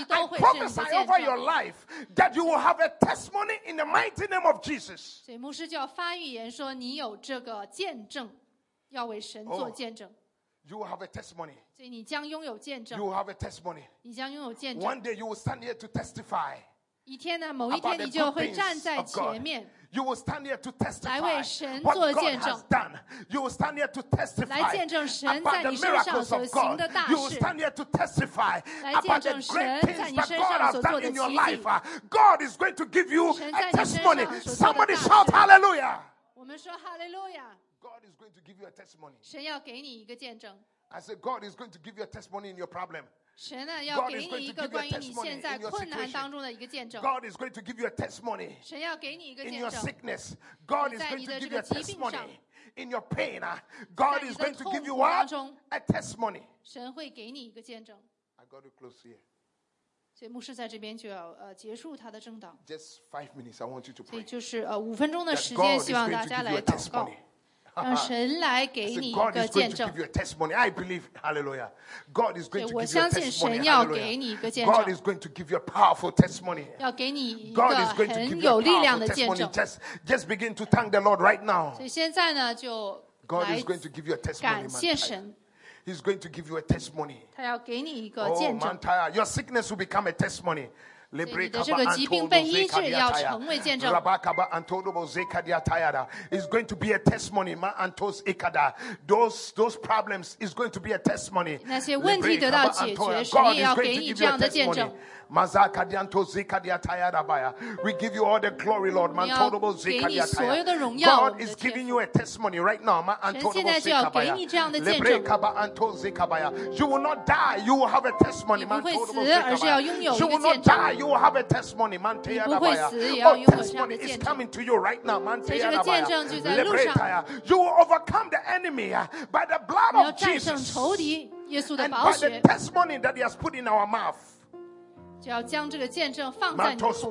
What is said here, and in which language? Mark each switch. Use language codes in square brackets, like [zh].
[en] I prophesy over your life that you will have a testimony in the mighty name of Jesus. [zh] 所以牧师就要发预言说你有这个见证，要为神做见证。 [en] You will have a testimony. [zh] 所以你将拥有见证。 [en] You will have a testimony. [zh] 你将拥有见证。 [en] One day you will stand here to testify. [zh] 一天呢，某一天你就会站在前面。 [en] You will stand here to testify. [zh] 来为神做见证。 [en] What God has done. You will stand here to testify. [zh] 来见证神在你身上所行的大事。 [en] You will stand here to testify. [zh] 来见证神在你身上所做的奇迹。 [en] God has done in your life. God is going to give you a testimony. Somebody shout hallelujah. [zh] 我们说 hallelujah. [en] God is going to give you a testimony. [zh] 神要给你一个见证。 [en] I said God is going to give you a testimony in your problem. [zh] 神啊，要给你一个关于你现在困难当中的一个见证。 [en] God is going to give you a testimony. [zh] 神要给你一个见证。 [en] In your sickness, God is going to give you a testimony. In your pain, God is going to give you what? A testimony. [zh] 神会给你一个见证。 [en] I got to close here. [zh] 所以牧师在这边就要结束他的证道。 [en] Just 5 minutes, I want you to pray. [zh] 所以就是五分钟的时间，希望大家来祷告。让神来给你一个见证。 [en] God is going to give you a testimony. I believe, hallelujah. God is going to give you a [zh] testimony. 我相信神要给你一个见证。 [en] God is going to give you a powerful testimony. [zh] 要给你一个很有力量的见证。 [en] Just begin to thank the Lord right now. [zh] 所以现在呢，就 [en] God is going to give you a testimony. [zh] 感谢神。 [en] He's going to give you a testimony. [zh] 他要给你一个见证。 [en] Oh, Mantaya, your sickness will become a testimony. [zh] 你的这个疾病被医治要成为见证。拉巴卡巴安托鲁莫泽卡迪亚泰亚达 [en] is going to be a testimony. Ma antos ikada. Those problems is going to be a testimony. [zh] 那些问题得到解决，神也要给你这样的见证。 [en] We give you all the glory, Lord. Man, tolerable Zikadia. God is giving you a testimony right now. Man, tolerable Zikabaya. You will not die. You will have a testimony. Man, tolerable Zikabaya. You will not die. You will have a testimony. Man, tolerable Zikabaya. It's coming to you right now. Man, tolerable Zikabaya. You will overcome the enemy by the blood of Jesus. And by the testimony that he has put in our mouth. 就要将这个见证放在你的口中。